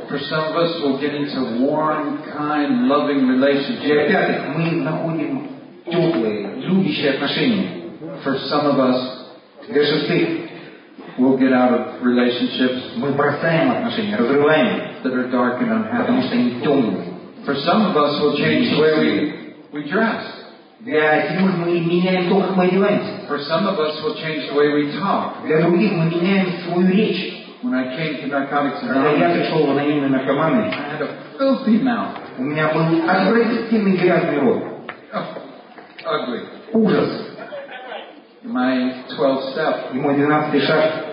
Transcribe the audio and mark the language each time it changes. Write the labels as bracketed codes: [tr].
[en] For some of us, we'll get into warm, kind, loving relationships. [ru] Для пятых мы находим теплые, любящие отношения. [en] For some of us, [ru] для шестых, [en] we'll get out of relationships. [ru] Мы бросаем отношения, разрываем их. [en] That are dark and unhappy. [ru] Потому что они темные. [en] For some of us, we'll change the way we dress. [ru] Для седьмых мы меняем то, как мы одеваемся. [en] For some of us, we'll change the way we talk. [ru] Для других мы меняем свою речь. [en] When I came to narcotics, [ru] когда я пришел в анонимные наркоманы, [en] I had a filthy mouth. [ru] У меня был отвратительный грязный рот. [en] Ugly. [ru] Ужас. [en] My 12th step. [ru] И мой 12-й шаг.